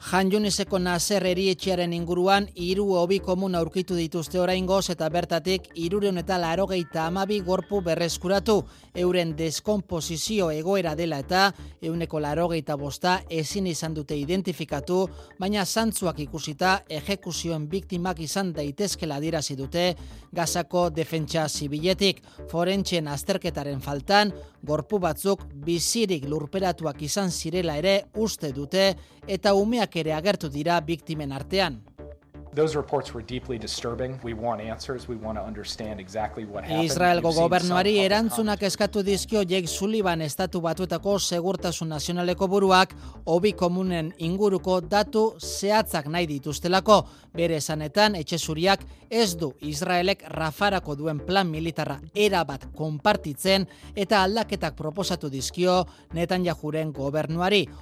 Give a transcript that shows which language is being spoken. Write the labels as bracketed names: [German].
[Basque] Jan Juniseko Nazer erietxearen inguruan hiru hobi komun aurkitu dituzte oraingoz eta bertatik 382 gorpu berreskuratu euren deskomposizio egoera dela eta 185 ezin izan dute identifikatu, baina zantzuak ikusita exekuzioen biktimak izan daitezkela adierazi dute Gazako defentsa zibiletik. Forentsen azterketaren faltan, gorpu batzuk bizirik lurperatuak izan zirela ere uste dute eta umeak ere agertu dira biktimen artean. [English] Those reports were deeply disturbing. We want answers. We want to understand exactly what happened. [Basque] Israelgo gobernuari erantzunak eskatu dizkio Jake Sullivan Estatu Batuetako Segurtasun Nazionaleko buruak hobi komunen inguruko datu zehatzak nahi dituztelako. Bere esanetan etxe zuriak ez du Israelek Rafarako duen plan militarra erabat konpartitzen eta aldaketak proposatu dizkio Netanyahuren gobernuari.